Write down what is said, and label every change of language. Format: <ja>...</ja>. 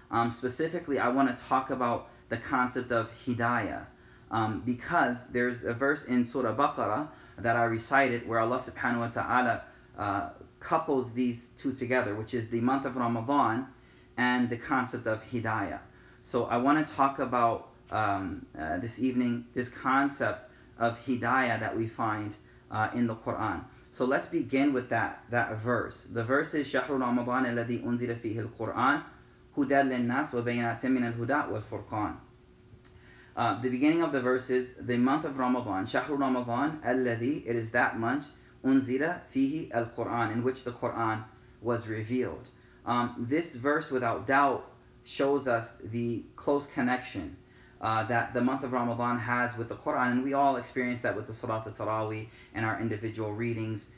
<en>Specifically, I want to talk about the concept of hidayah, because there's a verse in Surah Baqarah that I recited where Allah subhanahu wa ta'ala couples these two together, which is the month of Ramadan and the concept of hidayah. So I want to talk about this evening this concept of hidayah that we find in the Quran. So let's begin with that verse. The verse is</en> <ar>شهر رمضان الذي أنزل فيه القرآن هدى للناس وبينات من الهدى والفرقان.</ar> <en>The beginning of the verse is the month of Ramadan.</en> <ar>شهر رمضان الذي,</ar> <en>it is that month,</en> <ar>أنزل فيه القرآن,</ar> <en>in which the Quran was revealed. This verse without doubt shows us the close connection that the month of Ramadan has with the Quran, and we all experience that with the Salat al-Taraweeh and our individual readings.</en>